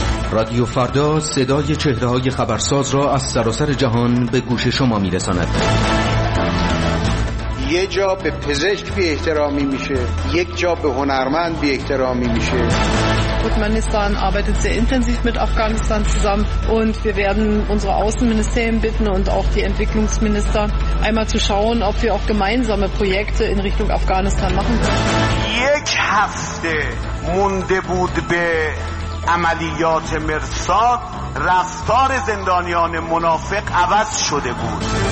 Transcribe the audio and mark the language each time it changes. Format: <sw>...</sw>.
<fa>رادیو فردا صدای چهره های خبرساز را از سراسر جهان به گوش شما می رساند. یه جا به پزشک بی احترامی میشه، یک جا به هنرمند بی احترامی میشه.</fa> <de>Turkmenistan arbeitet sehr intensiv mit Afghanistan zusammen und wir werden unsere Außenministerien bitten und auch die Entwicklungsminister einmal zu schauen, ob wir auch gemeinsame Projekte in Richtung Afghanistan machen können.</de> <fa>یک هفته مونده بود به عملیات مرساد، رفتار زندانیان منافق عوض شده بود.</fa>